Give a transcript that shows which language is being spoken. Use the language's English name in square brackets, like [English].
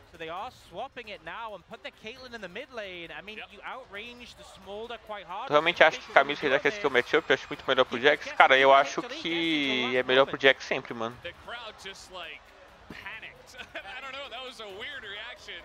[English] So they are swapping it now and put the Caitlyn in the mid lane. I mean, you outrange the smolder quite hard. [Portuguese] Eu realmente acho que Camille seria aquele que é o matchup, eu acho muito melhor pro Jax. Cara, eu acho que é melhor pro Jax sempre, mano. [English] The crowd just like panicked. I don't know, that was a weird reaction.